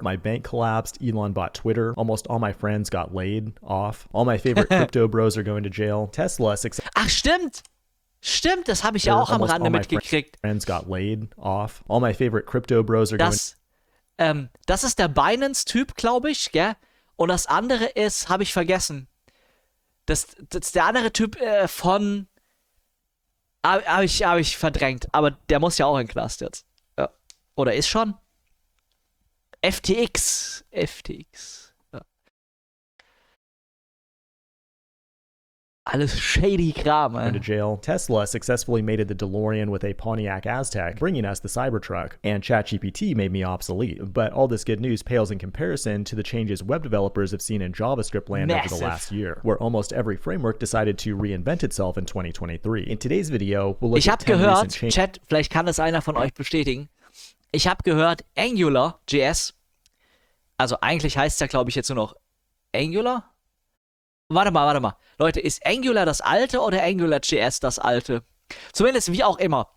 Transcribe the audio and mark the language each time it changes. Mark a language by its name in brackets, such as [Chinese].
[English] My bank collapsed, Elon bought Twitter, almost all my friends got laid off, all my favorite crypto bros are going to jail, Tesla success. [German] Ach stimmt, das habe ich auch am Rande mitgekriegt. [English] Friends got laid off, all my favorite crypto bros are going. [German] Das ist der Binance-Typ, glaube ich, gell? Und das andere ist, habe ich vergessen. Das der andere Typ von. Hab ich verdrängt. Aber der muss ja auch in Knast jetzt. Ja. Oder ist schon? FTX. Ja. Alles shady Kram, ey. [English] Into jail. Tesla successfully mated the DeLorean with a Pontiac Aztec, bringing us the Cybertruck. And ChatGPT made me obsolete. But all this good news pales in comparison to the changes web developers have seen in JavaScript land over the last year, where almost every framework decided to reinvent itself in 2023. In today's video, we'll look at 10 recent changes. [German] Chat, vielleicht kann das einer von euch bestätigen. Ich habe gehört, AngularJS, also eigentlich heißt es ja, glaube ich, jetzt nur noch Angular? Warte mal. Leute, ist Angular das alte oder AngularJS das alte? Zumindest wie auch immer.